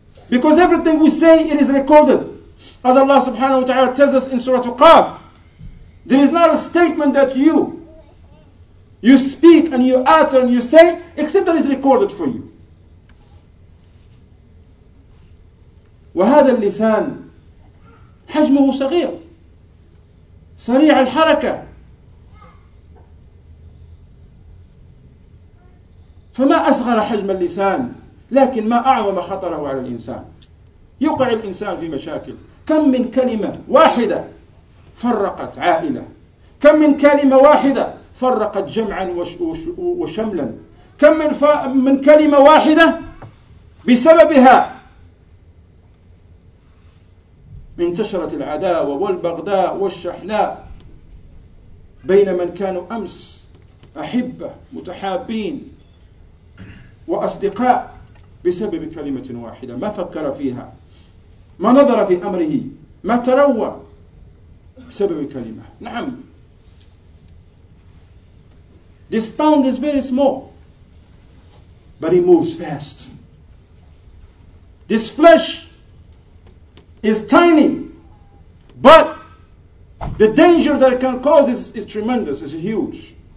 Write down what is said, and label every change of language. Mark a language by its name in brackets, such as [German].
[English] Because everything we say, it is recorded. As Allah subhanahu wa ta'ala tells us in Surah Al-Qaf, there is not a statement that you speak and you utter and you say, except that it is recorded for you. [Arabic] وهذا اللسان حجمه صغير, سريع الحركة, فما أصغر حجم اللسان, لكن ما أعظم خطره على الإنسان. يقع الإنسان في مشاكل. كم من كلمة واحدة فرقت عائلة, كم من كلمة واحدة فرقت جمعا وشملا، كم من كلمة واحدة بسببها انتشرت العداوة والبغضاء والشحناء بين من كانوا أمس أحبة متحابين وأصدقاء بسبب كلمة واحدة ما فكر فيها، ما نظر في أمره، ما تروى بسبب كلمة. [English] نعم، this sound is very small but it moves fast. This flesh is tiny but the danger that it can cause is tremendous, is huge.